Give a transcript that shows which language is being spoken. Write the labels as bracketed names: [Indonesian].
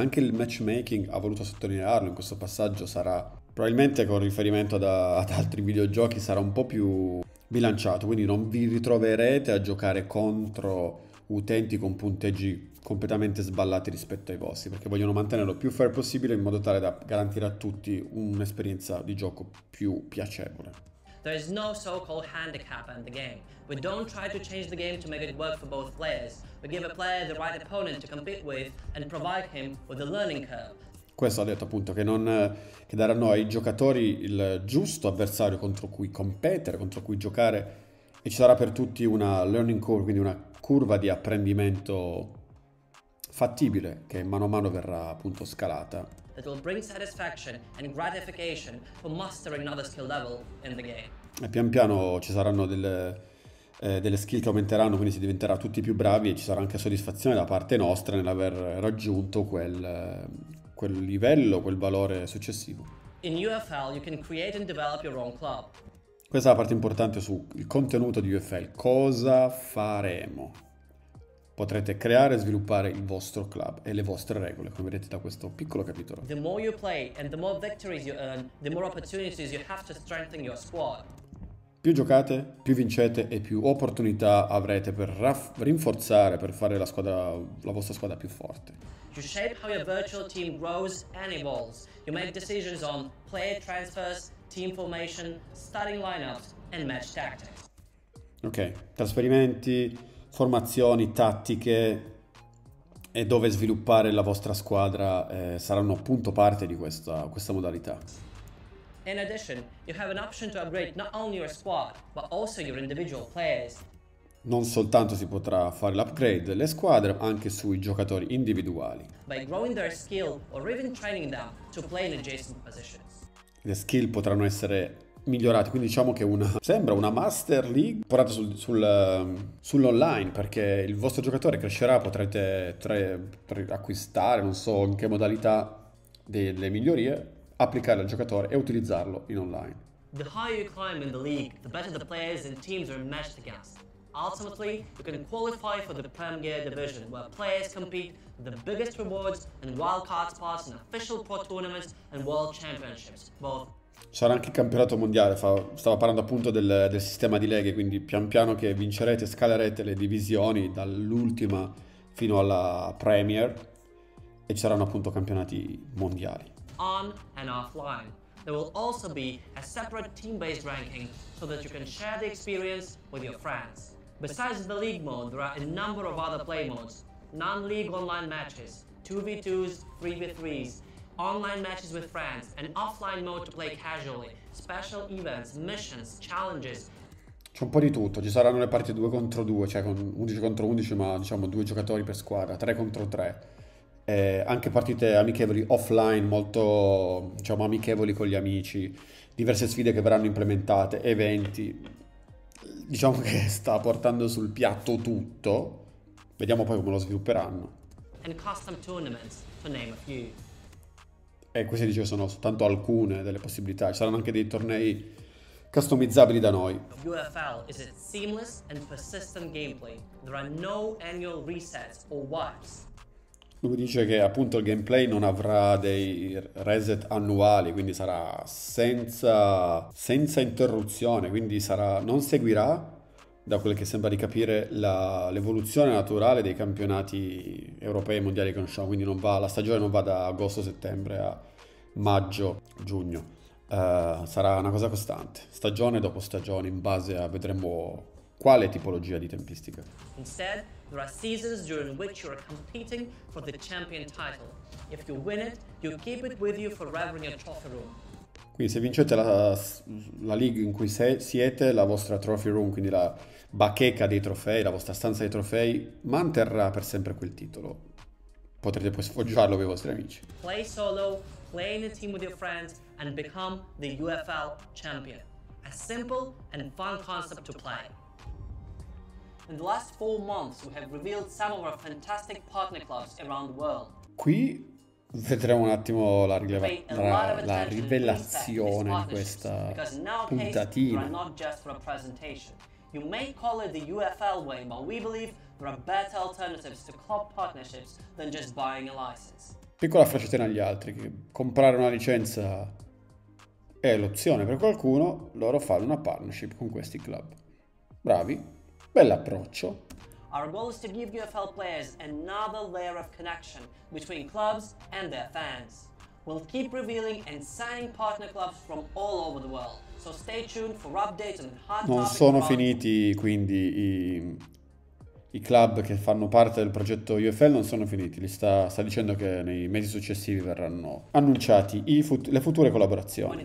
[Italian] Anche il matchmaking, ha voluto sottolinearlo in questo passaggio, sarà probabilmente, con riferimento ad altri videogiochi, sarà un po' più bilanciato, quindi non vi ritroverete a giocare contro utenti con punteggi completamente sballati rispetto ai vostri, perché vogliono mantenerlo più fair possibile in modo tale da garantire a tutti un'esperienza di gioco più piacevole. [English] There is no so-called handicap in the game. We don't try to change the game to make it work for both players. We give a player the right opponent to compete with and provide him with a learning curve. [Italian] Questo ha detto appunto che daranno ai giocatori il giusto avversario contro cui competere, contro cui giocare, e ci sarà per tutti una learning curve, quindi una curva di apprendimento fattibile che mano a mano verrà appunto scalata. [English] That will bring satisfaction and gratification for mastering another skill level in the game. [Italian] E pian piano ci saranno delle skill che aumenteranno, quindi si diventerà tutti più bravi e ci sarà anche soddisfazione da parte nostra nell'aver raggiunto quel livello, quel valore successivo. [English] In UFL you can create and develop your own club. [Italian] Questa è la parte importante sul contenuto di UFL. Cosa faremo? Potrete creare e sviluppare il vostro club e le vostre regole, come vedete da questo piccolo capitolo. [English] The more you play and the more victories you earn, the more opportunities you have to strengthen your squad. [Italian] Più giocate, più vincete e più opportunità avrete per rinforzare, per fare la vostra squadra più forte. [English] You shape how your virtual team grows and evolves. You make decisions on player transfers, team formation, starting lineups and match tactics. [Italian] Ok, trasferimenti, formazioni, tattiche e dove sviluppare la vostra squadra saranno appunto parte di questa modalità. [English] In addition, you have an option to upgrade not only your squad, but also your individual players. [Italian] Non soltanto si potrà fare l'upgrade delle squadre, ma anche sui giocatori individuali. [English] By growing their skill or even training them to play in adjacent positions. [Italian] Le skill potranno essere migliorate, quindi diciamo che sembra una Master League portata sull'online, perché il vostro giocatore crescerà, potrete acquistare, non so in che modalità, delle migliorie, applicarle al giocatore e utilizzarlo in online. [English] The higher you climb in the league, the better the players and teams are matched against. Ultimately, you can qualify for the Premier Division, where players compete for the biggest rewards and wildcard spots in official pro tournaments and world championships, both. [Italian] Sarà anche il campionato mondiale, stavo parlando appunto del sistema di leghe, quindi pian piano che vincerete scalerete le divisioni dall'ultima fino alla Premier e ci saranno appunto campionati mondiali. [English] On and offline. There will also be a separate team-based ranking so that you can share the experience with your friends. Besides the league mode, there are a number of other play modes. Non-league online matches, 2v2s, 3v3s, online matches with friends, an offline mode to play casually, special events, missions, challenges. [Italian] C'è un po' di tutto, ci saranno le partite 2 contro 2, cioè con 11 contro 11, ma diciamo 2 giocatori per squadra, 3 contro 3. Anche partite amichevoli offline, molto diciamo amichevoli con gli amici, diverse sfide che verranno implementate, eventi. Diciamo che sta portando sul piatto tutto, vediamo poi come lo svilupperanno. [English] And custom tournaments, to name a few. [Italian] E queste, dicevo, sono soltanto alcune delle possibilità. Ci saranno anche dei tornei customizzabili da noi. [English] UFL is a seamless and persistent gameplay. There are no annual resets or wipes. [Italian] Lui dice che appunto il gameplay non avrà dei reset annuali, quindi sarà senza interruzione, quindi non seguirà, da quel che sembra di capire, l'evoluzione naturale dei campionati europei e mondiali che conosciamo, quindi la stagione non va da agosto, settembre a maggio, giugno. Sarà una cosa costante, stagione dopo stagione, in base a vedremo quale tipologia di tempistica. [English] Instead, there are seasons during which you are competing for the champion title. If you win it, you keep it with you forever in your trophy room. [Italian] Quindi se vincete la league in cui siete, la vostra trophy room, quindi la bacheca dei trofei, la vostra stanza dei trofei, manterrà per sempre quel titolo. Potrete poi sfoggiarlo con i vostri amici. [English] Play solo, play in a team with your friends, and become the UFL champion. A simple and fun concept to play. In the last 4 months, we have revealed some of our fantastic partner clubs around the world. [Italian] Qui vedremo un attimo [English] Pay a lot of [Italian] la [English] attention to inspect these [Italian] rivelazione di [English] because in our case, you are [Italian] puntatina. [English] not just for a presentation. You may call it the UFL way, but we believe there are better alternatives to club partnerships than just buying a license. [Italian] Piccola freccettina agli altri, che comprare una licenza è l'opzione per qualcuno, loro fanno una partnership con questi club. Bravi, bell'approccio. [English] Our goal is to give UFL players another layer of connection between clubs and their fans. We'll keep revealing and signing partner clubs from all over the world, so stay tuned for updates on hot [Italian] Non [English] topics [Italian] sono [English] around. [Italian] finiti quindi i club che fanno parte del progetto UFL, non sono finiti, sta dicendo che nei mesi successivi verranno annunciati le future collaborazioni.